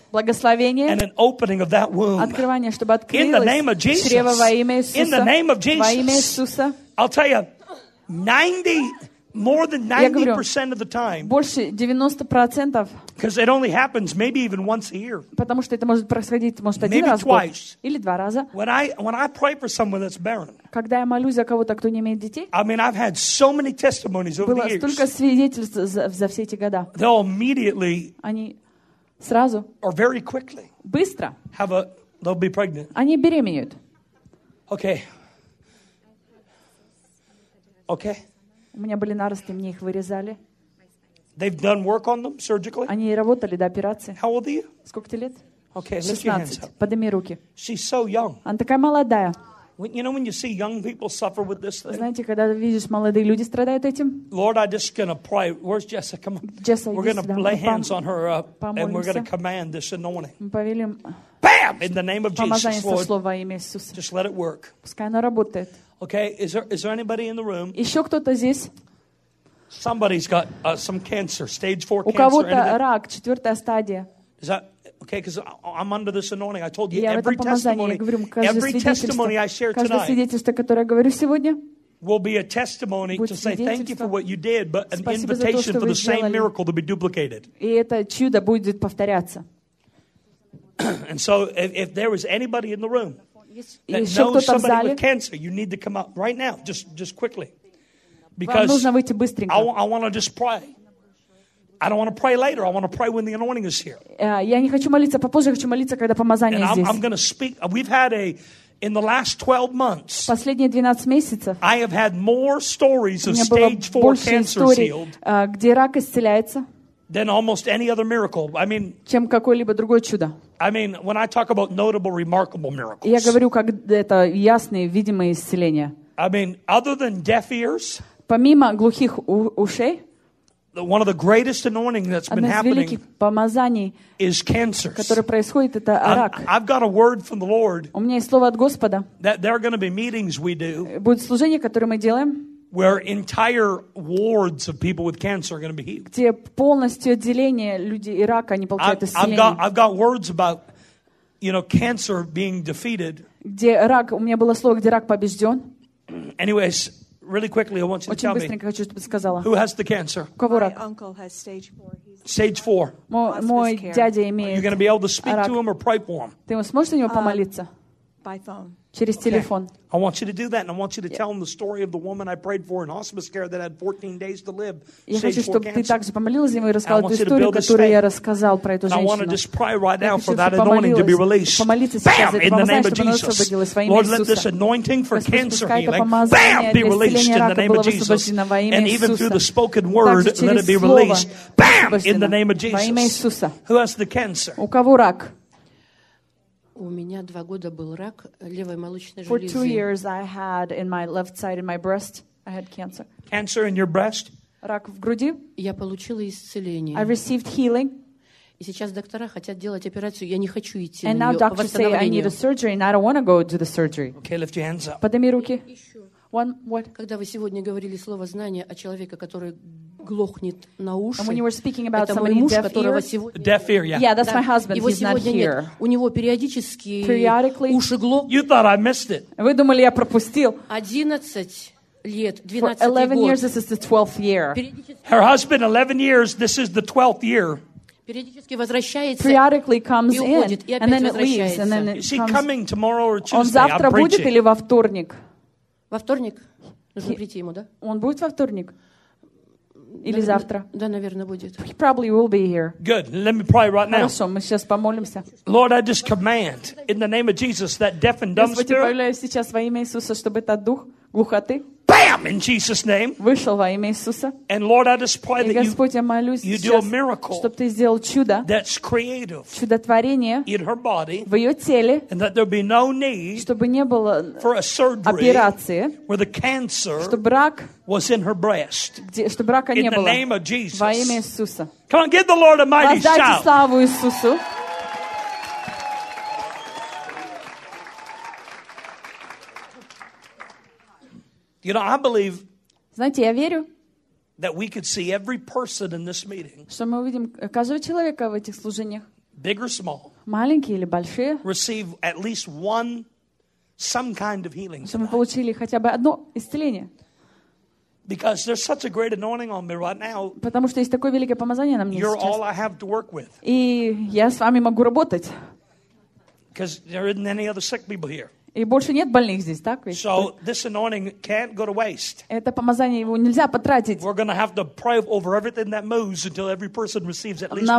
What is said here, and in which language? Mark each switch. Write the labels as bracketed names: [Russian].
[Russian] благословение, [English] and an opening of that womb. [Russian] Открывание, чтобы открылось. [English] In the name of Jesus. [Russian] Чрево во имя Иисуса. [English] In the name of Jesus. [Russian] Во имя Иисуса. [English] I'll tell you, 90... More than 90% of the time. [Russian] Больше 90%. [English] Because it only happens maybe even once a year. [Russian] Потому что это может происходить, может, один раз. [English] Maybe twice. [Russian] Или два раза. [English] When I pray for someone that's barren. [Russian] Когда я молюсь за кого-то, кто не имеет детей. [English] I mean, I've had so many testimonies over the years. [Russian] Было столько свидетельств за все эти года. [English] They'll immediately. [Russian] Они сразу. [English] Or very quickly. [Russian] Быстро. [English] Have a. They'll be pregnant. [Russian] Они беременеют. [English] Okay. Okay. [Russian] У меня были наросты, мне их вырезали. [English] They've done work on them surgically. [Russian] Они работали до операции. [English] How old are you? [Russian] Сколько тебе лет? [English] Okay, [Russian] 16. Подними руки. [English] She's so young. [Russian] Она такая молодая. [English] You know when you see young people suffer with this thing? [Russian] Знаете, когда видишь, молодые люди страдают этим? [English] Lord, I'm just gonna pray. Where's Jessica? Come on. Jessica, we're gonna [Russian] сюда. [English] Lay hands on her up, and we're gonna command this anointing. [Russian] Мы повелим. [English] Bam! In the name of Jesus, Lord. [Russian] Слово имя Иисус. [English] Just let it work. [Russian] Пускай оно работает. [English] Okay, is there anybody in the room? [Russian] Еще кто-то здесь? [English] Somebody's got some cancer, stage 4 cancer. [Russian] У кого-то рак, четвертая стадия. [English] Is that okay? Because I'm under this anointing. I told you every testimony I share tonight. [Russian] Каждое свидетельство, которое я говорю сегодня. [English] Will be a testimony to say thank you for what you did, but an invitation for the same miracle to be duplicated. [Russian] И это чудо будет повторяться. [English] And so, if there is anybody in the room. Еще кто-то в зале? Know somebody with cancer. You need to come up right now, just quickly, because [Russian] вам нужно выйти быстренько. [English] I want to just pray. I don't want to pray later. I want to pray when the anointing is here. [Russian] Я не хочу молиться попозже, хочу молиться, когда помазание [English] and [Russian] здесь. [English] I'm going to speak. We've had a in the last 12 months. [Russian] Последние 12 месяцев. [English] I have had more stories of stage 4 cancer [Russian] историй, [English] healed. [Russian] Где рак исцеляется? [English] Than almost any other miracle. I mean. [Russian] Чем какое-либо другое чудо. [English] I mean, when I talk about notable, remarkable miracles. [Russian] Я говорю, как это ясные, видимые исцеления. [English] I mean, other than deaf ears. [Russian] Помимо глухих ушей. [English] One of the greatest anointing that's been happening is cancers. [Russian] Которое происходит, это рак. [English] I've got a word from the Lord. [Russian] У меня есть слово от Господа. [English] That there are going to be meetings we do. [Russian] Будет служение, которое мы делаем. [English] Where entire wards of people with cancer are going to be healed. [Russian] Где полностью отделение людей и рака, они получают исцеление. [English] I've got words about, you know, cancer being defeated. [Russian] Где рак, у меня было слово, где рак побежден. [English] Anyways, really quickly, I want you [Russian] очень [English] to tell me. [Russian] Очень быстренько хочу, сказала. [English] Who has the cancer? [Russian] У кого рак? [English] My uncle has stage 4. Stage 4. [Russian] Мой дядя имеет рак. [English] You're going to be able to speak [Russian] рак. [English] To him or pray for him? [Russian] Ты сможешь на него помолиться? [English] By phone. [Russian] Через телефон. [English] Okay. I want you to do that, and I want you to tell him the story of the woman I prayed for in hospice care that had 14 days to live. [Russian] Я хочу, чтобы ты также помолилась за него и рассказал эту историю, которую я рассказал про эту женщину. [English] I want to just pray right now for that anointing to be released. Bam! In the name of Jesus. Lord, let this anointing for cancer healing, bam! Be released in the name of Jesus. And even through the spoken word, let it be released, bam! In the name of Jesus. Who has the cancer? [Russian] У кого рак? У меня два года был рак левой молочной железы. [English] For 2 years I had in my left side in my breast I had cancer. Cancer in your breast? [Russian] Рак в груди. Я получила исцеление. [English] I received healing. [Russian] И сейчас доктора хотят делать операцию. Я не хочу идти на нее. [English] And now doctors say I need a surgery and I don't want to go to the surgery. Okay, lift your hands up. [Russian] Подними руки. [English] One, what? [Russian] Когда вы сегодня говорили слово знание о человеке, который глохнет на уши. [English] And when you were speaking about someone [Russian] муж, [English] deaf [Russian] которого [English] ears? [Russian] Сегодня [English] deaf ear, yeah. Yeah, that's my husband. [Russian] Его [English] he's not here. [Russian] Нет. У него периодически уши глохнут. [English] You thought I missed it. [Russian] Вы думали, я пропустил? 11 лет, [English] 12 For 11 [Russian] год. [English] Years, this is the 12th year. Her husband, 11 years, this is the 12th year. [Russian] Периодически возвращается. [English] Periodically comes [Russian] и уходит, [English] in, and then it leaves, and then it is he coming tomorrow or Tuesday? [Russian] Он завтра будет или во вторник? Во вторник? Нужно прийти ему, да? Он будет во вторник? Или завтра? Да, наверное, будет. [English] He probably will be here. Good. Let me pray right now. [Russian] Хорошо, мы сейчас помолимся. [English] Lord, I just command in the name of Jesus that deaf and dumb spirit. [Russian] Господи, повелеваю сейчас во имя Иисуса, чтобы этот дух глухоты [English] Bam! come in Jesus' name. [Russian] Вышел во имя Иисуса. [English] And Lord, I just pray that [Russian] Господь, [English] you do a miracle. [Russian] Чтобы ты сделал чудо. [English] That's creative. [Russian] Чудотворение. [English] In her body. [Russian] В ее теле. [English] And that there be no need. [Russian] Чтобы не было [English] for a surgery, [Russian] операции. [English] Where the cancer. [Russian] Чтобы рак [English] was in her breast. [Russian] Где, чтобы рака не было. [English] In the name of Jesus. [Russian] Во имя Иисуса. [English] Come on, give the Lord a mighty shout. [Russian] Воздайте славу Иисусу. [English] You know, I believe. [Russian] Знаете, я верю. [English] That we could see every person in this meeting. [Russian] Что мы увидим каждого человека в этих служениях. [English] Big or small. [Russian] Маленькие или большие. [English] Receive at least one, some kind of healing. [Russian] Чтобы мы получили хотя бы одно исцеление. [English] Because there's such a great anointing on me right now. [Russian] Потому что есть такое великое помазание на мне сейчас. [English] You're all I have to work with. [Russian] И я с вами могу работать. [English] Because there isn't any other sick people here. [Russian] И больше нет больных здесь, так ведь? [English] So, this anointing can't go to waste. [Russian] Это помазание, его нельзя потратить. [English] We're gonna have to pray over everything that moves until every person receives at least